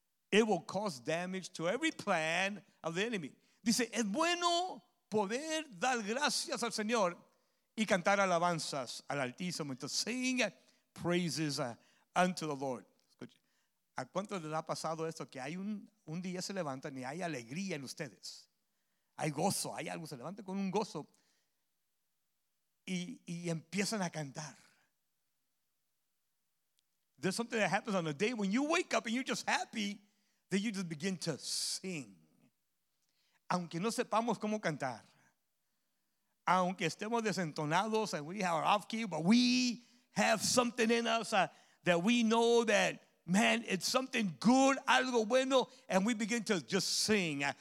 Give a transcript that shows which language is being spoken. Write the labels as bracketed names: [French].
[English] It will cause damage to every plan of the enemy. [Spanish] Dice, es bueno poder dar gracias al Señor y cantar alabanzas al Altísimo. [English] To sing praises unto the Lord. [Spanish] Escuche, ¿a cuántos les ha pasado esto? Que hay un día se levantan y hay alegría en ustedes. Hay gozo, hay algo. Se levantan con un gozo y empiezan a cantar. [English] There's something that happens on a day when you wake up and you're just happy that you just begin to sing. Aunque no sepamos cómo cantar, aunque estemos desentonados and we are off key, but we have something in us that we know that, man, it's something good, algo bueno, and we begin to just sing.